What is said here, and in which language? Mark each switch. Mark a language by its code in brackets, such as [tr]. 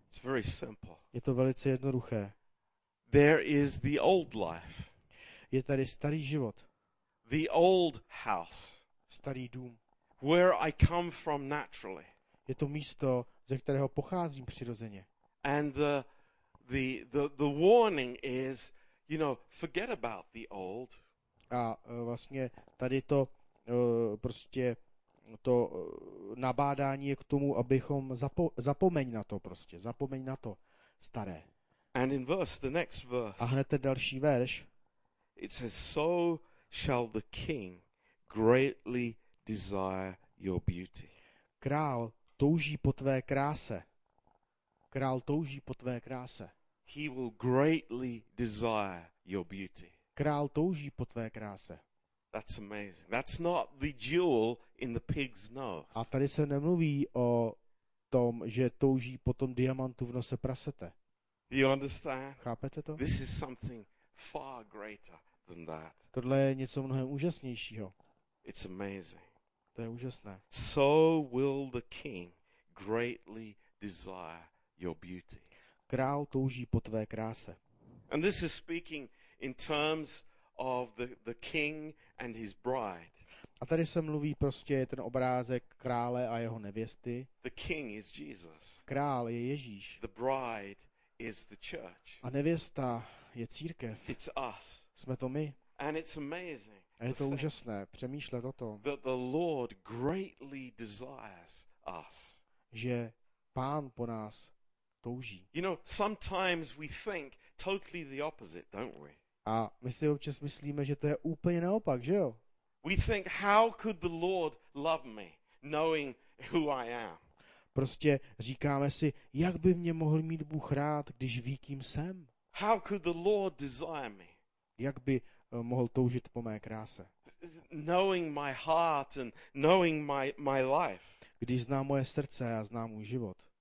[en] It's very simple. [cs] Je to velice jednoduché. [en] There is the old life. [cs] Je tady starý život. [en] The old house. [cs] Starý dům. [en] Where I come from naturally. [cs] Je to místo, ze kterého pocházím přirozeně. [en] And the warning is, you know, forget about the old. [cs] A vlastně tady to prostě to nabádání je k tomu, abychom zapomeň na to prostě, zapomeň na to staré. [en] And in verse, the next verse. [cs] A hned ten další verš. [en] It says, so shall the king greatly desire your beauty. [cs] Král touží po tvé kráse. Král touží po tvé kráse. [en] He will greatly desire your beauty. [cs] Král touží po tvé kráse. [en] That's amazing. That's not the jewel in the pig's nose. [cs] A tady se nemluví o tom, že touží po tom diamantu v nose prasete. [en] You understand? [cs] Chápete to? [en] This is something far greater than that. [cs] Tohle je něco mnohem úžasnějšího. [en] It's amazing. [cs] To je úžasné. [en] So will the king greatly desire your beauty. [cs] Král touží po tvé kráse. [en] And this is speaking in terms of the king and his bride. [cs] A tady se mluví prostě ten obrázek krále a jeho nevěsty. [en] The king is Jesus. [cs] Král je Ježíš. [en] The bride is the church. [cs] A nevěsta je církev. [en] It's us. [cs] Jsme to my. [en] And it's amazing. [cs] A je to úžasné přemýšlet o tom. [en] That the Lord greatly desires us. [cs] Že Pán po nás touží. [en] You know, sometimes we think totally the opposite, don't we? [cs] A my si občas myslíme, že to je úplně naopak, že jo? [en] We think, how could the Lord love me, knowing who I am? [cs] Prostě říkáme si, jak by mě mohl mít Bůh rád, když ví, kým jsem? [en] How could the Lord desire me? [cs] Jak by mohl toužit po mé kráse? [en] Knowing my heart and knowing my life. [cs] Když zná moje srdce a zná můj život.